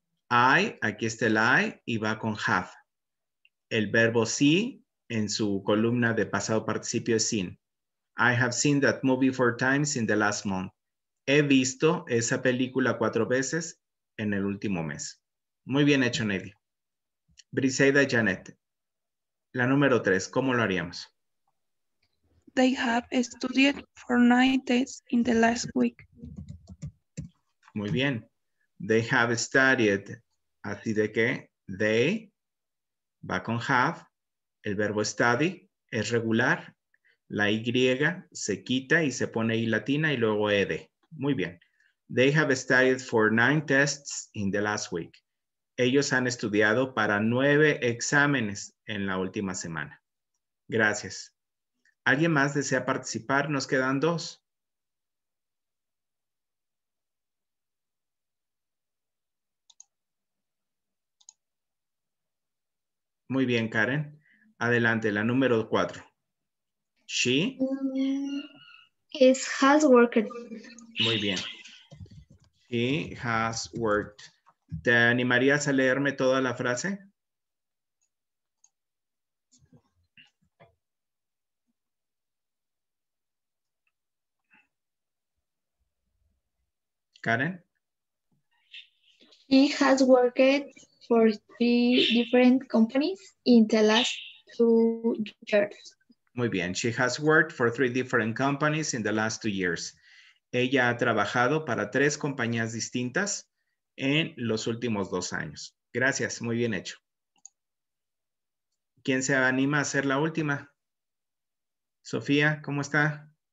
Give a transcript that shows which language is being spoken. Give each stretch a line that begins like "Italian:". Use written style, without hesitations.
Spanish: I, aquí está el I y va con have. El verbo see en su columna de pasado participio es seen.
English: I have seen that movie 4 times in the last month.
Spanish: He visto esa película 4 veces en el último mes. Muy bien hecho, Nelly. Briseida y Janet, la número 3, ¿cómo lo haríamos?
English: They have studied for 9 days in the last week.
Spanish: Muy bien.
English: They have studied.
Spanish: Así de que they va con have. El verbo study es regular. La Y se quita y se pone I latina y luego ed. Muy bien.
English: They have studied for 9 tests in the last week.
Spanish: Ellos han estudiado para 9 exámenes en la última semana. Gracias. ¿Alguien más desea participar? Nos quedan 2. Muy bien, Karen. Adelante, la número cuatro. She
English: is has worked.
Spanish: Muy bien.
English: She has worked.
Spanish: ¿Te animarías a leerme toda la frase? Karen?
English: She has worked for 3 different companies in the last 2 years.
Spanish: Muy bien.
English: She has worked for 3 different companies in the last 2 years.
Spanish: Ella ha trabajado para 3 compañías distintas en los últimos 2 años. Gracias. Muy bien hecho. ¿Quién se anima a hacer la última? Sofía, ¿cómo está?